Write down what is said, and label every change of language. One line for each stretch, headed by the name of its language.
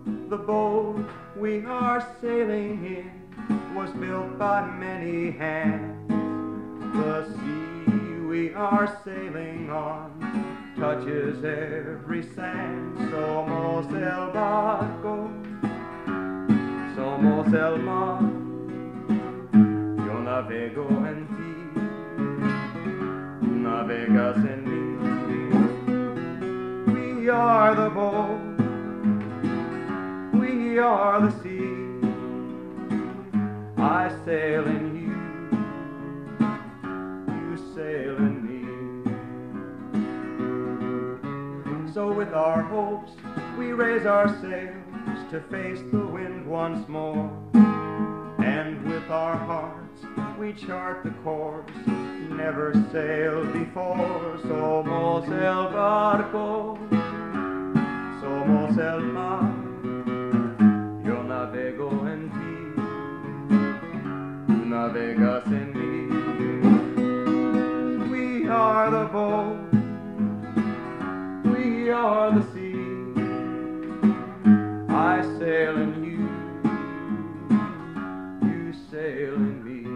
English: The boat we are sailing in was built by many hands. The sea we are sailing on touches every sand.
Spanish: Somos el barco, somos el mar, navego en ti, navegas en mí.
English: We are the boat, we are the sea, I sail in you, you sail in me. So with our hopes, we raise our sails to face the wind once more. And with our hearts, we chart the course never sailed before.
Spanish: Somos el barco, somos el mar, yo navego en ti, tú navegas en mí.
English: We are the boat, we are the sea, I sail in you, you sail in me.